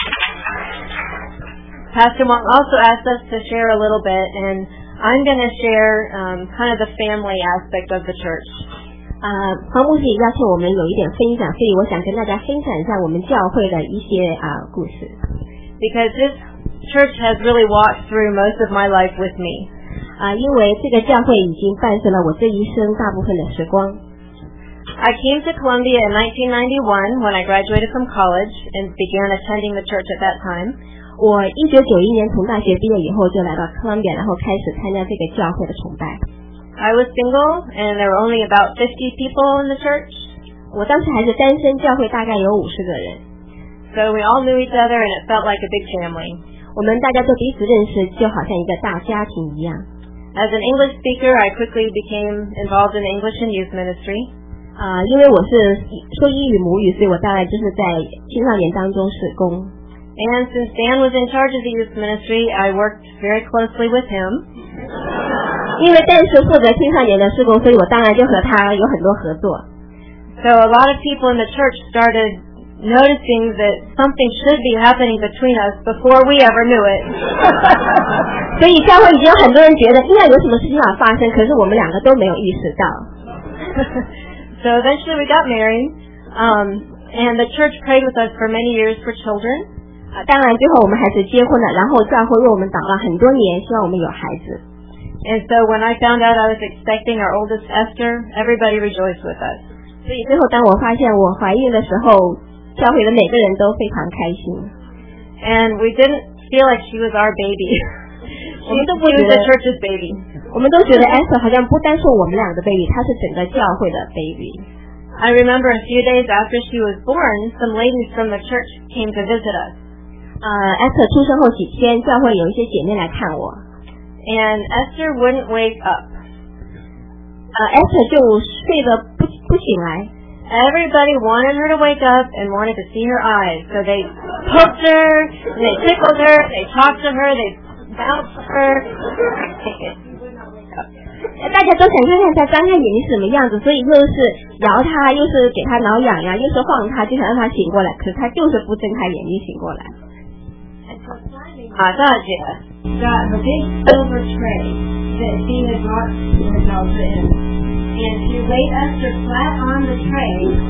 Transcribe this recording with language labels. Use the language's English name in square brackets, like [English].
[English] Pastor Wong also asked us to share a little bit, and I'm going to share kind of the family aspect of the church. [Chinese] 黄牧师邀请我们有一点分享，所以我想跟大家分享一下我们教会的一些故事。 [English] Because this church has really walked through most of my life with me. [Chinese] 因为这个教会已经伴随了我这一生大部分的时光。 [English] I came to Columbia in 1991 when I graduated from college and began attending the church at that time. [Chinese] 我1991年从大学毕业以后就来到哥伦比亚，然后开始参加这个教会的崇拜。 [English] I was single and there were only about 50 people in the church. [Chinese] 我当时还是单身，教会大概有50个人。 [English] So we all knew each other and it felt like a big family. [Chinese] 我们大家都彼此认识，就好像一个大家庭一样。 [English] As an English speaker, I quickly became involved in English and youth ministry. [Chinese] 因为我是说英语母语，所以我大概就是在青少年当中事工。 [English] And since Dan was in charge of the youth ministry, I worked very closely with him. [Chinese] 因为Dan是负责青少年的事工，所以我当然就和他有很多合作。 [English] So a lot of people in the church started noticing that something should be happening between us before we ever knew it. [Chinese] 所以教会已经有很多人觉得应该有什么事情要发生，可是我们两个都没有意识到。 [English] So eventually we got married, and the church prayed with us for many years for children. [Chinese] 当然最后我们还是结婚了，然后教会为我们祷告很多年，希望我们有孩子。 [English] And so when I found out I was expecting our oldest Esther, everybody rejoiced with us. [Chinese] 所以最后当我发现我怀孕的时候，教会的每个人都非常开心。 [English] And we didn't feel like she was our baby. She was the church's baby. [Chinese] 我们都觉得 Esther 好像不单是我们俩的 baby, 她是整个教会的 baby。 [English] I remember a few days after she was born, some ladies from the church came to visit us. [Chinese] Esther 出生后几天，教会有一些姐妹来看我。 [English] And Esther wouldn't wake up. [Chinese] Esther 就睡得不醒来。 [English] Everybody wanted her to wake up and wanted to see her eyes. So they poked her, and they tickled her, they talked to her, they bounced her. [Chinese] 大家都想看看她张开眼睛是什么样子，所以又是摇她，又是给她挠痒痒，又是晃她，就想让她醒过来。可是她就是不睁开眼睛醒过来。 [English] 马大姐 got a big silver tray that she had brought herself in, and she laid Esther flat on the tray.